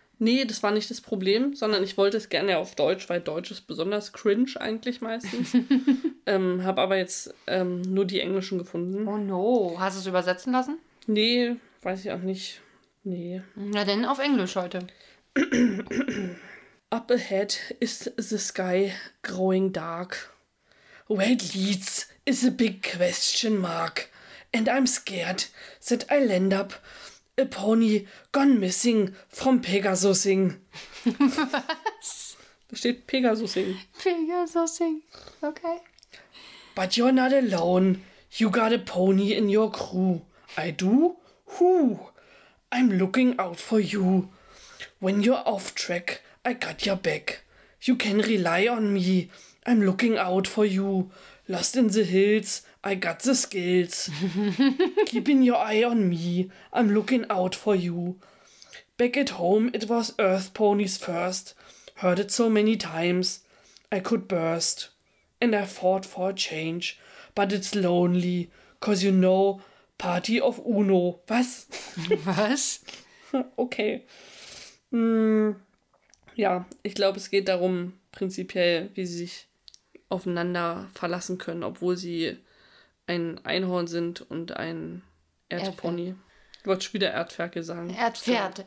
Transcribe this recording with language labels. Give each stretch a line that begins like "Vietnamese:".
German: Nee, das war nicht das Problem, sondern ich wollte es gerne auf Deutsch, weil Deutsch ist besonders cringe eigentlich meistens. habe aber jetzt nur die englischen gefunden.
English: Oh no,
German: hast du es übersetzen lassen? Nee, weiß ich auch nicht. Nee. Na denn auf Englisch heute.
English: Up ahead is the sky growing dark. Where it leads is a big question mark. And I'm scared that I'll end up a pony gone missing from Pegasusing.
German: Was? Da steht Pegasusing. Pegasusing, okay.
English: But you're not alone. You got a pony in your crew. I do? Who? I'm looking out for you. When you're off track, I got your back. You can rely on me. I'm looking out for you. Lost in the hills, I got the skills. Keeping your eye on me, I'm looking out for you. Back at home, it was earth ponies first. Heard it so many times, I could burst. And I fought for a change, but it's lonely, 'cause you know, party of uno.
German: Was? Was? Okay. Ja, ich glaube, es geht darum, prinzipiell, wie sie sich aufeinander verlassen können, obwohl sie ein Einhorn sind und ein Erdpony. Ich wollte schon wieder Erdferkel sagen. Erdpferd.